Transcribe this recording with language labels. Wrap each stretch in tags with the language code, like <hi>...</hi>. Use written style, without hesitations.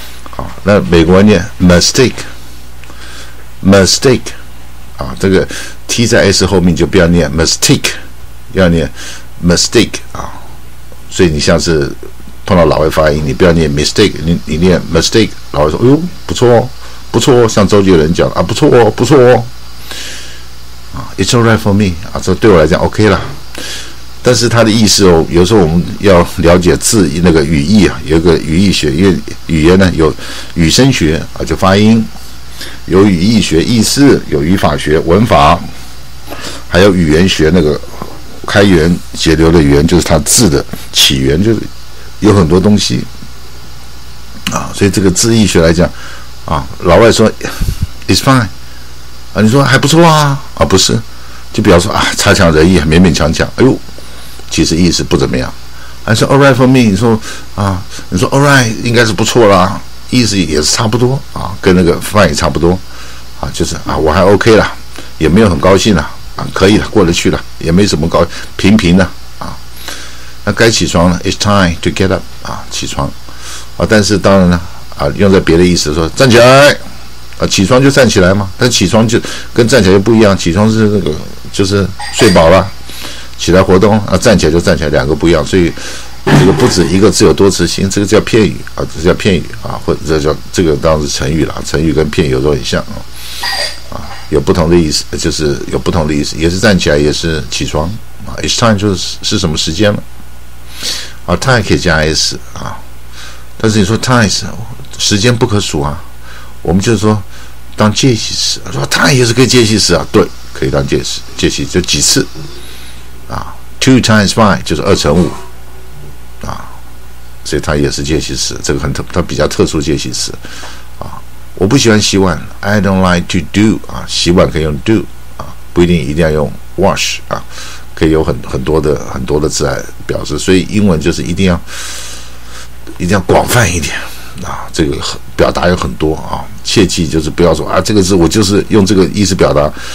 <zh>好，那美国人念 mistake 啊，这个 T 在 S 后面就不要念 mistake， 要念 mistake 啊。所以你像是碰到老外发音，你不要念 mistake， 你念 mistake， 老外说：“哎呦，不错哦，不错哦。” 像周杰伦讲啊：“不错哦，不错哦。啊”啊 ，</zh> <en>It's alright for me</en> <zh>啊，这对我来讲 OK 了。但是他的意思哦，有时候我们要了解字那个语义啊，有个语义学，因为语言呢有语声学啊，就发音。有语义学意思，有语法学文法，还有语言学那个开源节流的源，就是它字的起源，就是有很多东西啊。所以这个字义学来讲啊，老外说</zh> <en>It's fine</en> <zh>啊，你说还不错啊啊，不是，就比方说啊，差强人意，勉勉强强，哎呦，其实意思不怎么样。还说</zh> <en>All right for me，</en> <zh>你说 All right 应该是不错啦。意思也是差不多啊，跟那个饭也差不多啊，就是啊，我还 OK 了，也没有很高兴了啊，可以了，过得去了，也没什么高，平平的啊。那该起床了 ，</zh> <en>It's time to get up</en> <zh>啊，起床啊。但是当然呢啊，用在别的意思说站起来啊，起床就站起来嘛。但起床就跟站起来就不一样，起床是那个就是睡饱了起来活动啊，站起来就站起来，两个不一样，所以。这个不止一个字有多词性，这个叫片语啊，这叫片语啊，或者叫这个当时成语了，成语跟片语有时候很像啊，啊，有不同的意思，就是有不同的意思，也是站起来，也是起床啊。 It's time 就是什么时间了啊 ？Time 可以加 s 啊，但是你说 time 是时间不可数啊，我们就是说当介系词，说 time 也是可以介系词啊，对，可以当介系就几次啊 ，</zh> <en>two times five</en> <zh>就是二乘五。所以它也是介系词，这个很特，它比较特殊介系词啊。我不喜欢洗碗 ，</zh> <en>I don't like to do</en> <zh>啊。洗碗可以用 do 啊，不一定一定要用 wash 啊，可以有很多的字来表示。所以英文就是一定要广泛一点啊，这个表达有很多啊，切记就是不要说啊，这个字我就是用这个意思表达。</zh>